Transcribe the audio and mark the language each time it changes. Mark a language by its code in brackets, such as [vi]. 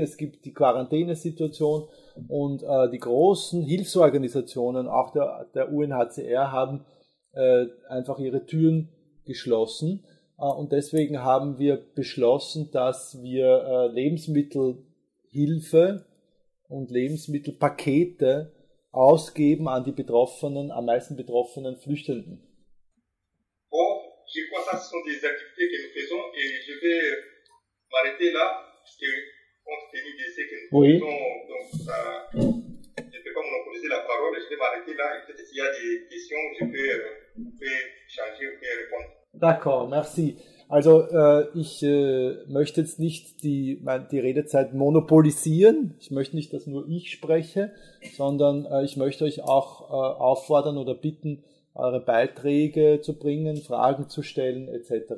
[de] Es gibt die Quarantänesituation und die großen Hilfsorganisationen, auch der UNHCR, haben einfach ihre Türen geschlossen. Und deswegen haben wir beschlossen, dass wir Lebensmittelhilfe und Lebensmittelpakete ausgeben an die Betroffenen, am meisten betroffenen Flüchtenden. [fr] Je crois que ce sont des activités que nous faisons et je vais m'arrêter là, parce que compte tenu de ce que nous oui. faisons, donc ça, je ne peux pas monopoliser la parole et je vais m'arrêter là. Et peut-être s'il y a des questions, je peux changer ou bien répondre. D'accord, merci. [de] Also ich möchte jetzt nicht die Redezeit monopolisieren. Ich möchte nicht, dass nur ich spreche, sondern ich möchte euch auch auffordern oder bitten, eure Beiträge zu bringen, Fragen zu stellen, etc.